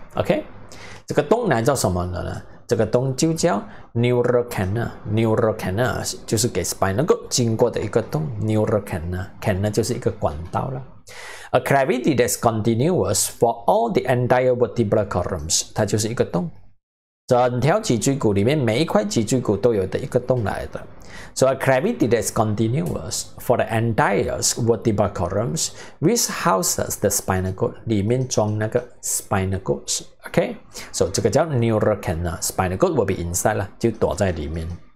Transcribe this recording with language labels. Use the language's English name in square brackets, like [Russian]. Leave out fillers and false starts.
[Chinese] Okay, 这个洞呢叫什么呢？这个洞就叫 neural canal, neural canal 就是给 spinal cord 经过的一个洞 neural canal, canal 就是一个管道了。 [English] A cavity that's continuous for all the entire vertebral columns. [Chinese] 它就是一个洞。整条脊椎骨里面每一块脊椎骨都有的一个洞来的。 [English] So a cavity that's continuous for the entire vertebral columns, which houses the spinal cord. [Chinese] 里面装那个 spinal cords. Okay? So 这个叫 neural canal. [English] Spinal cord will be inside, [Chinese] 就躲在里面。